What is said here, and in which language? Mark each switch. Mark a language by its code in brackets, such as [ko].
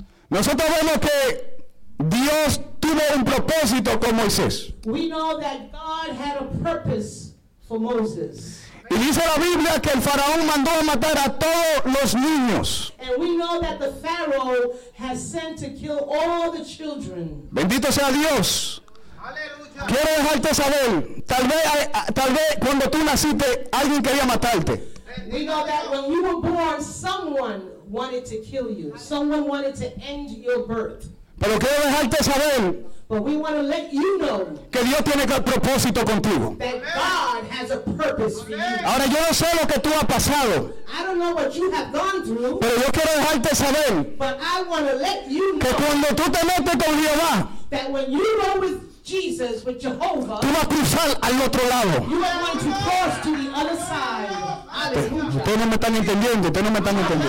[es] Nosotros vemos que Dios tuvo un propósito con Moisés. [en] We know that God had a purpose. [es] Y dice la Biblia que el faraón mandó a matar a todos los niños. [en] And we know that the Pharaoh has sent to kill all the children. [es] Bendito sea Dios. Aleluya. Quiero dejarte saber, tal vez cuando tú naciste alguien quería matarte. [en] We know that when you were born, someone wanted to kill you. Someone wanted to end your birth. [es] Pero quiero dejarte saber. [en] But we want to let you know [es] que Dios tiene que propósito contigo. [en] That God has a purpose for you. [es] Ahora yo no sé lo que tú has pasado. [en] I don't know what you have gone through. [es] Pero yo quiero dejarte saber. [en] But I want to let you know [es] que cuando tú te metes con Jehová, [en] that when you go with Jesus, with Jehovah, [es] tú vas a cruzar al otro lado. [en] You are going to cross to the other side. [es] Ustedes no me están entendiendo. Ustedes no me están entendiendo.